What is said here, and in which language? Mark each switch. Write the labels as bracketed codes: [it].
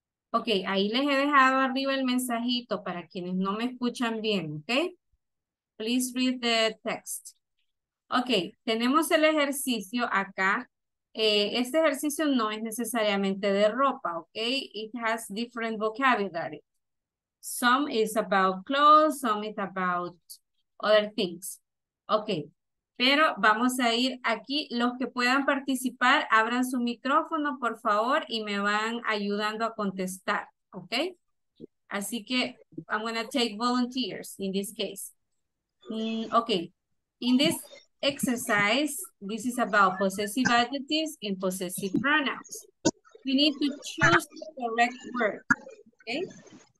[es] Ok, ahí les he dejado arriba el mensajito para quienes no me escuchan bien, ¿ok? [en] Please read the text. [es] Ok, tenemos el ejercicio acá. Este ejercicio no es necesariamente de ropa, ¿ok? [en] It has different vocabulary. Some is about clothes, some is about other things. Ok. [es] Pero vamos a ir aquí, los que puedan participar, abran su micrófono, por favor, y me van ayudando a contestar, ¿ok? Así que, [en] I'm going to take volunteers in this case. Ok, in this exercise, this is about possessive adjectives and possessive pronouns. We need to choose the correct word, ¿ok?